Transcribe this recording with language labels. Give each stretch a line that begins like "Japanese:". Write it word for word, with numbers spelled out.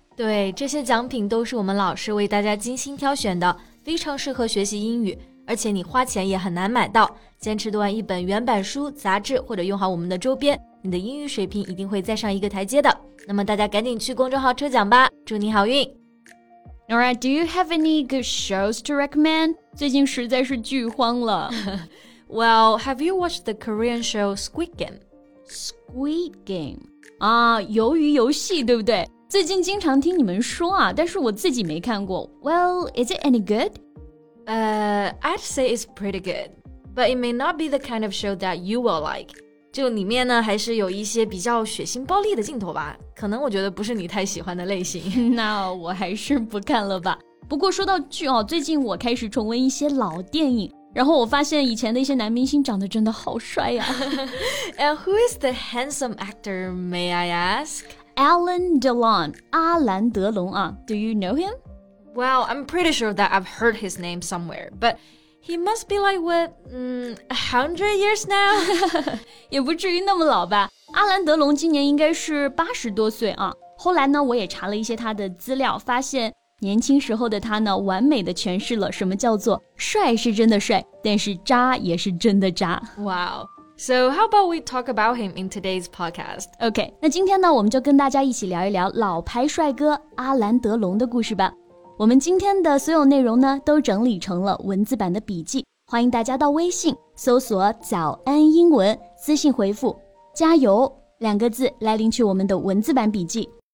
Chinese: 对，这些奖品都是我们老师为大家精心挑选的，非常适合学习英语，而且你花钱也很难买到。坚持读完一本原版书、杂志，或者用好我们的周边，你的英语水平一定会再上一个台阶的。那么大家赶紧去公众号抽奖吧，祝你好运。
English: Nora, do you have any good shows to recommend?
Chinese: 最近实在是剧荒了。
English: Well, have you watched the Korean show Squid Game?
Chinese: Squid Game? 啊，鱿鱼游戏，对不对？最近经常听你们说啊，但是我自己没看过。
English: Well, is it any good? Uh, I'd say it's pretty good, but it may not be the kind of show that you will like.
Chinese: 就里面呢，还是有一些比较血腥暴力的镜头吧，可能我觉得不是你太喜欢的类型。那我还是不看了吧。不过说到剧哦，最近我开始重温一些老电影，然后我发现以前的一些男明星长得真的好帅呀。
English: And who is the handsome actor, may I ask?
Chinese: Alain Delon, 阿兰德龙啊。
English: Do you know him? Well, I'm pretty sure that I've heard his name somewhere, but... He must be like, what, um, one hundred years now?
Chinese: 也不至于那么老吧。阿兰德龙今年应该是八十多岁啊。后来呢，我也查了一些他的资料，发现年轻时候的他呢，完美的诠释了什么叫做帅是真的帅，但是渣也是真的渣。
English: Wow. So how about we talk about him in today's podcast?
Chinese: OK, 那今天呢，我们就跟大家一起聊一聊老牌帅哥阿兰德龙的故事吧。我们今天的所有内容呢，都整理成了文字版的笔记，欢迎大家到微信搜索早安英文，私信回复加油两个字来领取我们的文字版笔记。